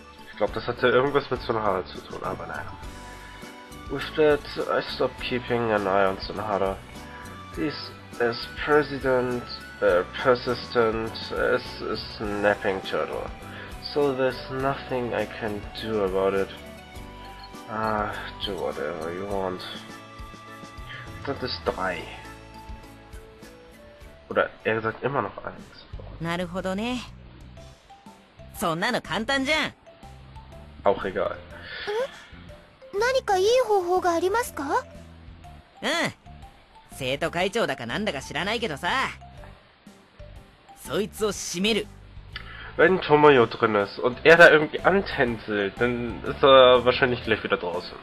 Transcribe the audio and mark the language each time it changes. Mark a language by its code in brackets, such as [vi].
[de] Ich glaube, das hat ja irgendwas mit Sonhara zu tun, aber nein. [en] With that, I stopped keeping an eye on Sonhara. He's as persistent, as a snapping turtle. So there's nothing I can do about it. Ah, do whatever you want. [de] Das ist drei. Oder er sagt immer noch eins. [ja] なるほどね。そんなの簡単じゃん。 [de] Auch egal. [ja] 何かいい方法がありますか? うん。生徒会長だかなんだか知らないけどさ。そいつを閉める。 [de] Wenn Tomoyo drin ist und er da irgendwie antänzelt, dann ist wahrscheinlich gleich wieder draußen.